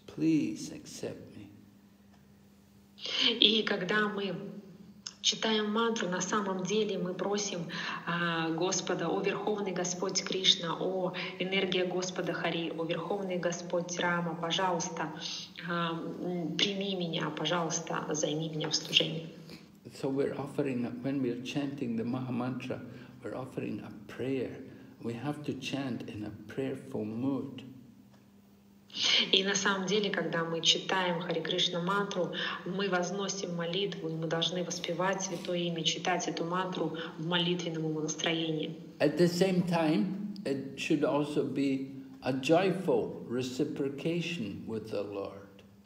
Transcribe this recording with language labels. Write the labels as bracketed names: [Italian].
[English] Please accept me. [Russian] И когда мы читаем мантру, на самом деле мы просим Господа, о Верховный Господь Кришна, о энергия Господа Хари, о Верховный Господь Рама, пожалуйста, прими меня, пожалуйста, займи меня в служении. [English] So we're offering, when we're chanting the Maha Mantra, we're offering a prayer. We have to chant in a prayerful mood. [Russian] И на самом деле, когда мы читаем Хари Кришна мантру, мы возносим молитву, и мы должны воспевать святое имя, читать эту мантру в молитвенном настроении. [English] At the same time, it should also be a joyful reciprocation with the Lord.